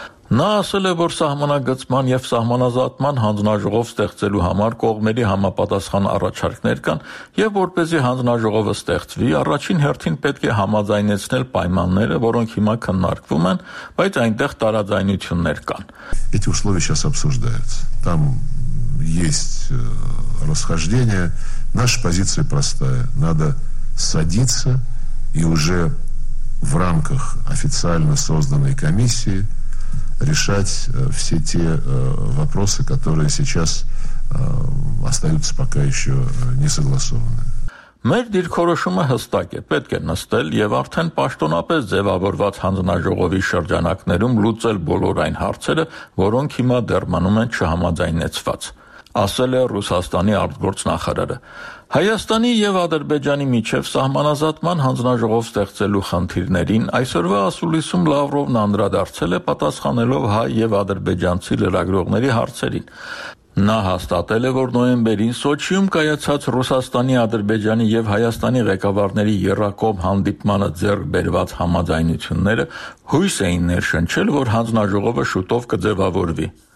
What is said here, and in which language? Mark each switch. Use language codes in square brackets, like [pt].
[hy] Նա ասել է, որ սահմանագծման և սահմանազատման հանձնաժողով ստեղծելու համար կողմերի համապատասխան առաջարկներ կան, և որպեսզի հանձնաժողովը ստեղծվի, առաջին հերթին պետք է համաձայնեցնել պայմանները, որոնք հիմա քննարկվում են, բայց այնտեղ տարաձայնություններ կան։ [ru] Эти условия сейчас обсуждаются. Там есть расхождение. Наша позиция простая: надо садиться и уже в рамках официально созданной комиссии решать все те вопросы, которые сейчас остаются пока еще не согласованы. [hy] Մեր դիրքորոշումը հստակ է, պետք է նստել և արդեն պաշտոնապես ձևավորված հանձնաժողովի շրջանակներում լուծել բոլոր այն հարցերը, որոնք հիմա դեռ մնում են չհամաձայնեցված, ասել է Ռուսաստանի արտգործնախարարը։ Հայաստանի եւ Ադրբեջանի միջև սահմանազատման հանձնաժողով ստեղծելու խնդիրներին այսօրվա ասուլիսում Լավրովն անդրադարձել է պատասխանելով հայ եւ ադրբեջանցի լրագրողների հարցերին։ Նա հաստատել է, որ նոյեմբերին Սոչիում կայացած Ռուսաստանի, Ադրբեջանի եւ Հայաստանի ղեկավարների երրակողմ հանդիպմանը ձեռք բերված համաձայնությունները հույս էին ներշնչել, որ հանձնաժողովը շուտով կձևավորվի։